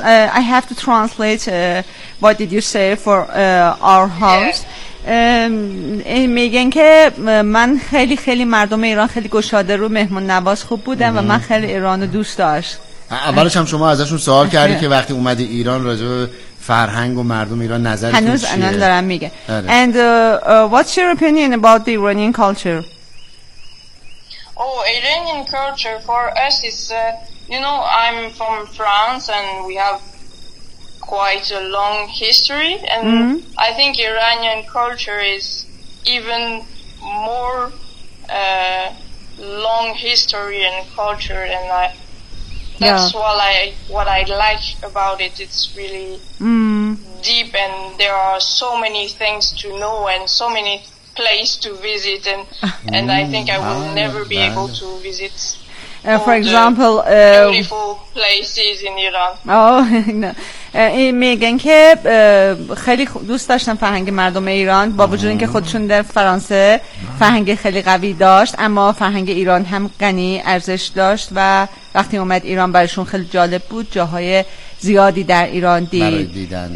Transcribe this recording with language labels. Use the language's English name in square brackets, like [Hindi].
[English] I have to translate what did you say for our house. [Persian] میگن که من خیلی خیلی مردم ایران خیلی گشاده رو مهمون نواز خوب بودم و من خیلی ایران رو دوست داشت. اولش هم شما ازشون سوال کردی که وقتی اومدی ایران راجع به فرهنگ و مردم ایران نظرتون چیه؟ هنوز الان دارم میگه. [English] And what's your opinion about the Iranian culture? Oh, Iranian culture for us is, you know, I'm from France and we have quite a long history. And I think Iranian culture is even more long history and culture, and I, that's what I like about it. It's really deep, and there are so many things to know and so many place to visit, and I think I will never be able to visit. For example, beautiful places in Iran. [Persian] این میگن که خیلی دوست داشتن فرهنگ مردم ایران، با وجود اینکه خودشون در فرانسه فرهنگ خیلی قوی داشت، اما فرهنگ ایران هم غنی ارزش داشت و وقتی اومد ایران برایشون خیلی جالب بود، جاهای زیادی در ایران دید.